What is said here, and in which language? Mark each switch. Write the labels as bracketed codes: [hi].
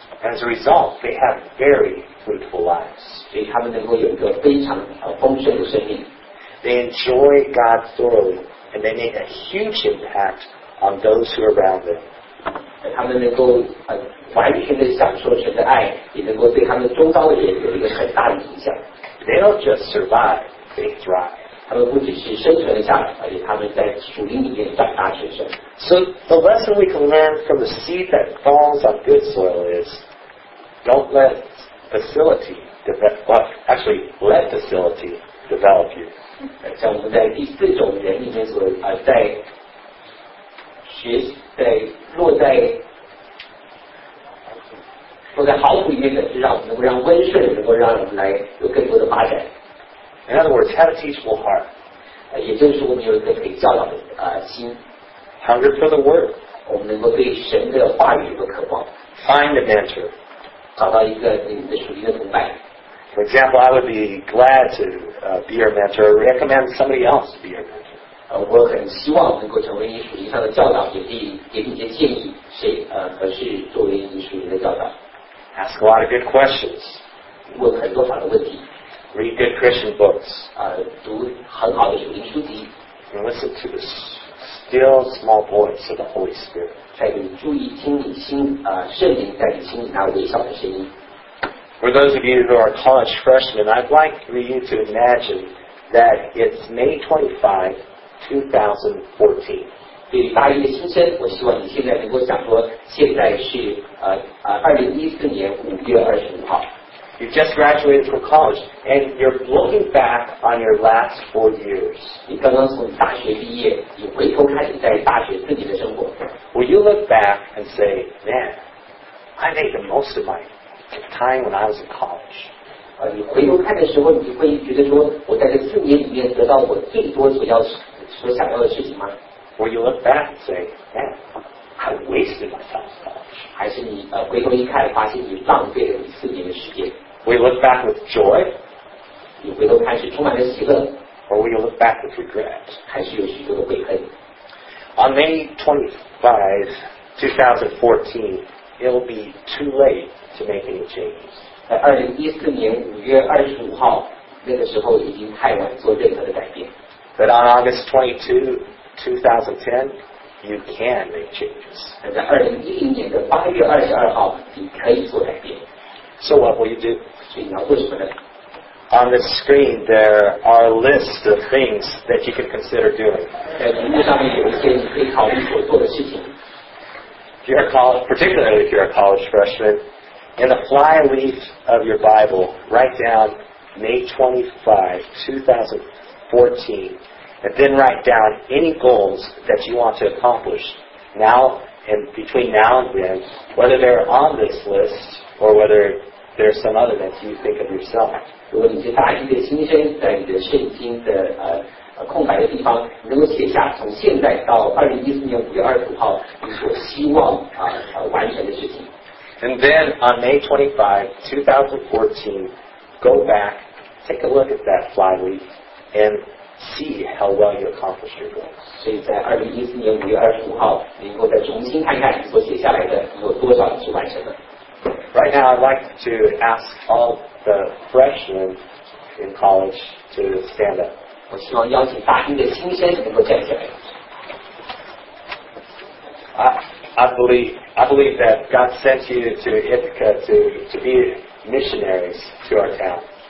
[en] As a result, they have very fruitful lives. [zh] 所以他们能够有一个非常丰盛的生命。 [en] They enjoy God thoroughly, and they make a huge impact on those who are around them. [zh] 他们能够完全的享受神的爱，也能够对他们周遭的人有一个很大的影响。 [en] They don't just survive, they thrive. [zh] 他们不只是生存下来，而且他们在属灵里面长大成圣。 [en] So the lesson we can learn from the seed that falls on good soil is don't let facility develop, well, actually let facility develop you. [zh] 像我们在第四种人里面所在学在落在好土里面的是让我们能够让温顺能够让我们来有更多的发展。 [en] In other words, have a teachable heart. [zh] 也就是我们有一个可以教导的心。 [en] Hunger for the word. [zh] 我们能够对神的话语有个渴望。 [en] Find a mentor. [zh] 找到一个你的属灵的同伴。 [en] For example, I would be glad to be your mentor or recommend somebody else to be your mentor. [zh] 我很希望能够成为你属灵上的教导，也可以给你一些建议，谁合适作为你属灵的教导。 [en] Ask a lot of good questions. [zh] 问很多好的问题。 [en] Read good Christian books. [zh] 读很好的属灵书籍。 [en] And listen to the still small voice of the Holy Spirit. [zh] 在你注意听你心圣灵在你心里那微小的声音。 [en] For those of you who are college freshmen, I'd like for you to imagine that it's May 25, 2014. [zh] 对于大一新生，我希望你现在能够想说，现在是2014年5月25号。 [en] You just graduated from college, and you're looking back on your last 4 years. [zh] 你刚刚从大学毕业，你回头看你在大学自己的生活。 [en] Will you look back and say, "Man, I made the most of my time when I was in college"? [zh] 你回头看的时候，你会觉得说，我在这四年里面得到我最多所想要的事情吗？ [en] Will you look back and say, "Man, I wasted myself"? [zh] 还是你回头一看，发现你浪费了你四年的时间？ [en] Will you look back with joy? [zh] 你回头看是充满了喜乐。 [en] Or will you look back with regret? [zh] 还是有许多的悔恨。 [en] On May 25, 2014, it'll be too late to make any changes. [zh] 2014年5月25号那个时候已经太晚做任何的改变。 [en] But on August 22, 2010, you can make changes. [zh] 在2010年的8月22号你可以做改变。 [en] So what will you do? [zh] 所以你要做什么呢？ [en] On the screen, there are lists of things that you can consider doing. Particularly if you're a college freshman, in the fly leaf of your Bible, write down May 25, 2014, and then write down any goals that you want to accomplish now and between now and then, whether they're on this list or whether there's some other that you think of yourself. [zh] 如果你是大一的新生，在你的圣经的空白的地方，你能够写下从现在到2014年5月25号你所希望完成的事情。 [en] And then on May 25, 2014, go back, take a look at that flyleaf, and see how well you accomplished your goals. [zh] 所以在2014年5月25号，你能够再重新看看你所写下来的有多少是完成的。 [en] Right now, I'd like to ask all the freshmen in college to stand up. [zh] 我希望邀请大一的新生能够站起来。 [en] I believe that God sent you to Ithaca to be missionaries to our town.